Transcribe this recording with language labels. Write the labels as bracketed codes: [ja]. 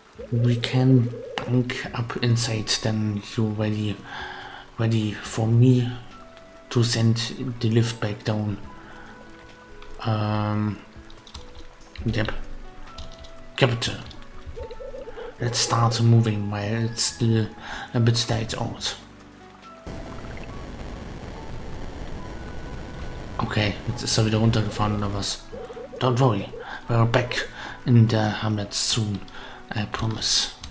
[en] We can bunk up inside, then you're ready for me to send the lift back down. Yep. Capital. Let's start moving while it's still a bit light out. [de] Okay, jetzt ist er wieder runtergefahren oder was? [en] Don't worry, we're back in the hamlet soon, I promise.